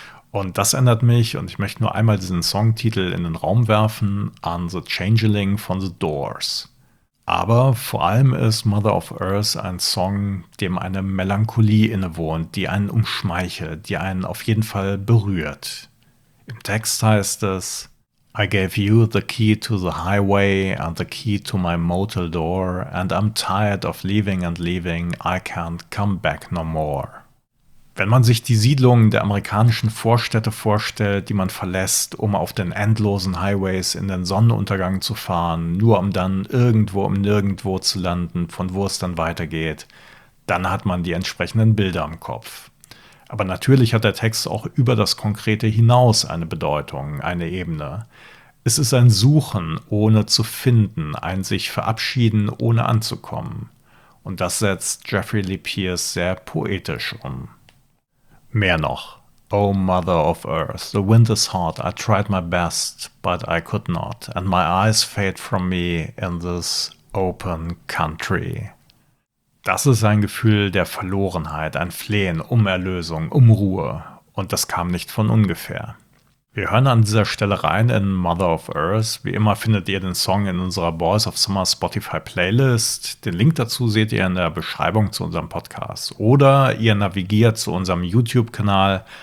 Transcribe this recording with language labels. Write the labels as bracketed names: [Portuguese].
[German] Und das ändert mich, und ich möchte nur einmal diesen Songtitel in den Raum werfen, an The Changeling von The Doors. Aber vor allem ist Mother of Earth ein Song, dem eine Melancholie innewohnt, die einen umschmeichelt, die einen auf jeden Fall berührt. Im Text heißt es, [English] I gave you the key to the highway and the key to my motel door and I'm tired of leaving and leaving, I can't come back no more. [German] Wenn man sich die Siedlungen der amerikanischen Vorstädte vorstellt, die man verlässt, um auf den endlosen Highways in den Sonnenuntergang zu fahren, nur um dann irgendwo im Nirgendwo zu landen, von wo es dann weitergeht, dann hat man die entsprechenden Bilder im Kopf. Aber natürlich hat der Text auch über das Konkrete hinaus eine Bedeutung, eine Ebene. Es ist ein Suchen ohne zu finden, ein sich verabschieden ohne anzukommen. Und das setzt Jeffrey Lee Pierce sehr poetisch um. Mehr noch. [English] O Mother of Earth, the wind is hot, I tried my best, but I could not, and my eyes fade from me in this open country. [German] Das ist ein Gefühl der Verlorenheit, ein Flehen um Erlösung, um Ruhe. Und das kam nicht von ungefähr. Wir hören an dieser Stelle rein in Mother of Earth. Wie immer findet ihr den Song in unserer Boys of Summer Spotify Playlist. Den Link dazu seht ihr in der Beschreibung zu unserem Podcast. Oder ihr navigiert zu unserem YouTube-Kanal.